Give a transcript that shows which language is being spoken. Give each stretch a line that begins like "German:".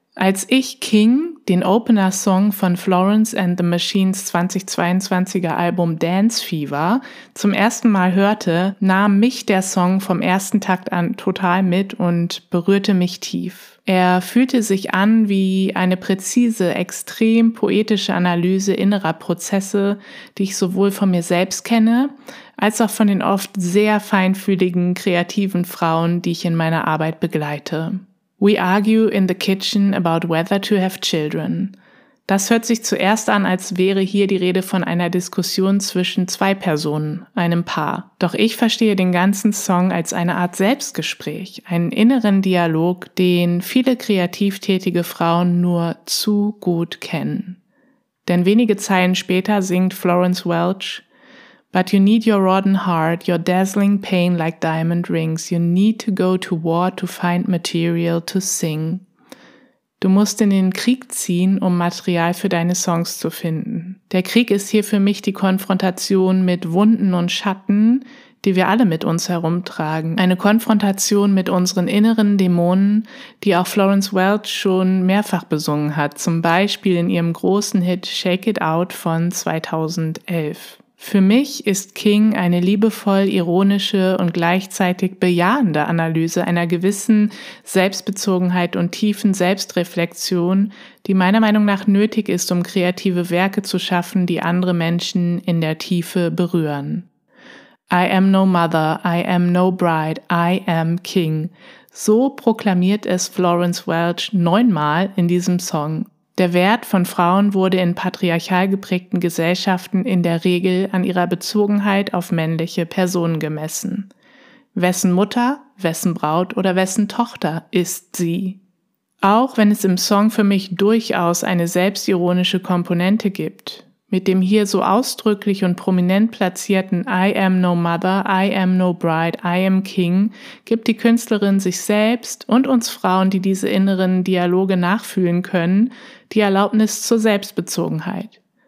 German: Als ich King, den Opener-Song von Florence and the Machines 2022er Album Dance Fever, zum ersten Mal hörte, nahm mich der Song vom ersten Takt an total mit und berührte mich tief. Er fühlte sich an wie eine präzise, extrem poetische Analyse innerer Prozesse, die ich sowohl von mir selbst kenne, als auch von den oft sehr feinfühligen, kreativen Frauen, die ich in meiner Arbeit begleite.
English: We argue in the kitchen about whether to have children.
German: Das hört sich zuerst an, als wäre hier die Rede von einer Diskussion zwischen zwei Personen, einem Paar. Doch ich verstehe den ganzen Song als eine Art Selbstgespräch, einen inneren Dialog, den viele kreativ tätige Frauen nur zu gut kennen. Denn wenige Zeilen später singt Florence Welch:
English: But you need your rotten heart, your dazzling pain like diamond rings. You need to go to war to find material to sing.
German: Du musst in den Krieg ziehen, um Material für deine Songs zu finden. Der Krieg ist hier für mich die Konfrontation mit Wunden und Schatten, die wir alle mit uns herumtragen. Eine Konfrontation mit unseren inneren Dämonen, die auch Florence Welch schon mehrfach besungen hat. Zum Beispiel in ihrem großen Hit Shake It Out von 2011. Für mich ist King eine liebevoll ironische und gleichzeitig bejahende Analyse einer gewissen Selbstbezogenheit und tiefen Selbstreflexion, die meiner Meinung nach nötig ist, um kreative Werke zu schaffen, die andere Menschen in der Tiefe berühren.
English: I am no mother, I am no bride, I am King.
German: So proklamiert es Florence Welch 9-mal in diesem Song. Der Wert von Frauen wurde in patriarchal geprägten Gesellschaften in der Regel an ihrer Bezogenheit auf männliche Personen gemessen. Wessen Mutter, wessen Braut oder wessen Tochter ist sie? Auch wenn es im Song für mich durchaus eine selbstironische Komponente gibt, mit dem hier so ausdrücklich und prominent platzierten
English: I am no mother, I am no bride, I am king,
German: gibt die Künstlerin sich selbst und uns Frauen, die diese inneren Dialoge nachfühlen können, die Erlaubnis zur Selbstbezogenheit.